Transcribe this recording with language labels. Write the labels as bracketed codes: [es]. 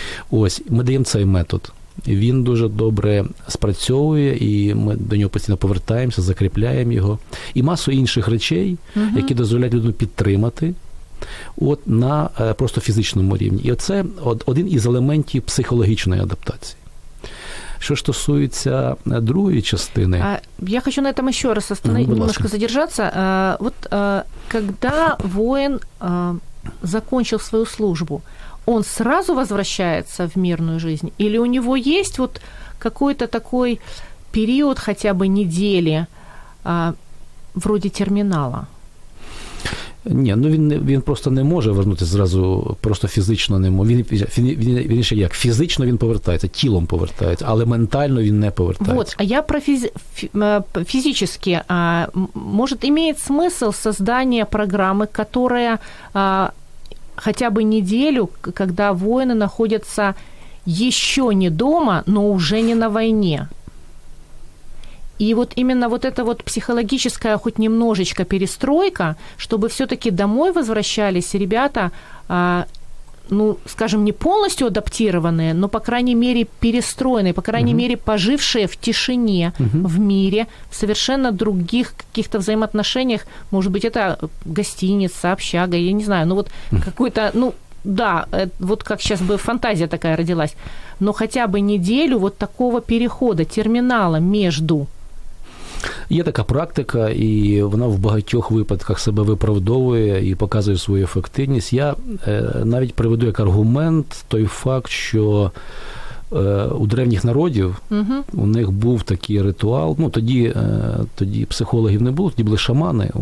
[uk] Ось, ми даємо цей метод. Він дуже добре спрацьовує, і ми до нього постійно повертаємося, закріпляємо його. І масу інших речей, які дозволяють людину підтримати, от на просто фізичному рівні. І це один із елементів психологічної адаптації. Що стосується другої частини. Я хочу на цьому ще раз [ru] немножко [uk] задержатися. От коли воїн закінчив свою службу, [ru] он сразу возвращается в мирную жизнь? Или у него есть вот какой-то такой период, хотя бы недели, вроде терминала? [uk] Ні, ну він просто не може вернутися зразу, просто фізично не може. Він ще як? Фізично він повертається, тілом повертається, але ментально він не повертається. От, а я про фізичні. Може, має смисл створення програми, яка... [ru] хотя бы неделю, когда воины находятся еще не дома, но уже не на войне. И вот именно вот эта вот психологическая хоть немножечко перестройка, чтобы все-таки домой возвращались ребята, ну, скажем, не полностью адаптированные, но, по крайней мере, перестроенные, по крайней мере, пожившие в тишине, в мире, в совершенно других каких-то взаимоотношениях. Может быть, это гостиница, общага, я не знаю. Ну, вот какой-то, ну, да, вот как сейчас бы фантазия такая родилась. Но хотя бы неделю вот такого перехода, терминала между... [uk] Є така практика, і вона в багатьох випадках себе виправдовує і показує свою ефективність. Я навіть приведу як аргумент той факт, що у древніх народів у них був такий ритуал. Ну, тоді психологів не було, тоді були шамани.